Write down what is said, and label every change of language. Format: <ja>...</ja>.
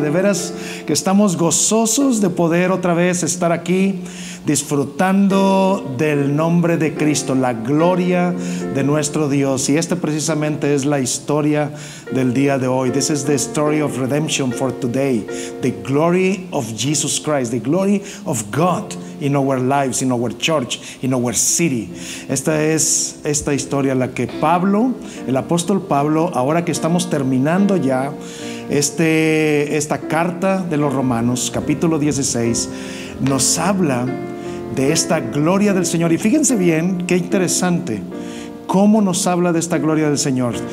<es>De veras que estamos gozosos de poder otra vez estar aquí disfrutando del nombre de Cristo, la gloria de nuestro Dios. Y esta precisamente es la historia del día de hoy.</es> <en>This is the story of redemption for today. The glory of Jesus Christ, the glory of God in our lives, in our church, in our city.</en> <es>Esta es esta historia la que Pablo, el apóstol Pablo, ahora que estamos terminando ya esta carta de los Romanos, capítulo 16, nos habla de esta gloria del Señor. Y fíjense bien, qué interesante, cómo nos habla de esta gloria del Señor.</es>